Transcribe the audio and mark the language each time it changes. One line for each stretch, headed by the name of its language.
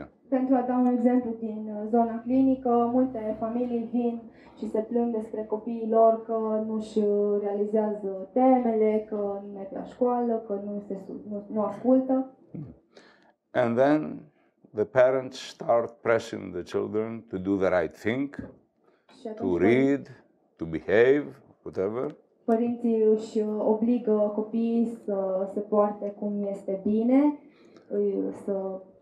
Romanian: Pentru a da un exemplu din zona clinică, multe familii vin și se plâng despre copiii lor că nu își realizează temele, că nu merg la școală, că nu ascultă.
English: And then the parents start pressing the children to do the right thing, to read, to behave, whatever.
Romanian: Părinții își obligă copiii să se poarte cum este bine, să